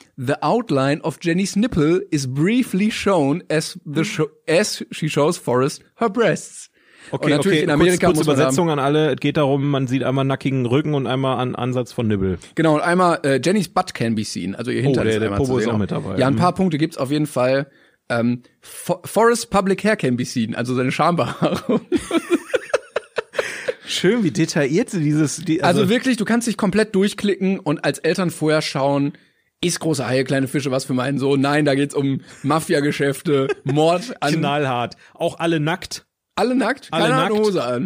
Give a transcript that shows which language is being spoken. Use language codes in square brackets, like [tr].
[en] The outline of Jenny's nipple is briefly shown as she shows Forrest her breasts. [de] Okay, natürlich okay, in Amerika kurz Übersetzung an alle. Es geht darum, man sieht einmal nackigen Rücken und einmal einen Ansatz von Nibble. Genau, und einmal Jennys [en] Butt can be seen, [de] also ihr Hintern. Oh, der Popo ist auch mit dabei. Ja, ein paar Punkte gibt's auf jeden Fall. [en] Forrest's public hair can be seen, [de] also seine Schambehaarung. Schön, wie detailliert sie dieses... Also wirklich, du kannst dich komplett durchklicken und als Eltern vorher schauen... Ist große Haie, kleine Fische, was für meinen Sohn? Nein, da geht's um Mafia-Geschäfte, Mord an... Knallhart. Auch alle nackt. Alle nackt? Alle keine nackt. Hose an.